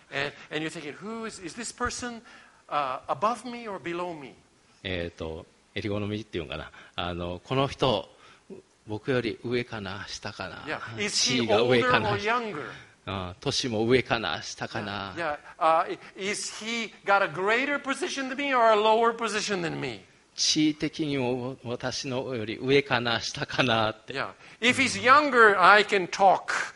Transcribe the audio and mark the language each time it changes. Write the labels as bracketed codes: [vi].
[en] And you're thinking, who is this person? Above me or below me? [ja] エリゴノミっていうのかな。この人、僕より上かな、下かな。 [en] Yeah. Is he older or younger? [ja] 地位が上かな。年も上かな、下かな。 [en] Yeah. Yeah. Is he got a greater position than me or a lower position than me? [ja] 地位的にも私のより上かな、下かなって。 [en] Yeah. If he's younger, I can talk.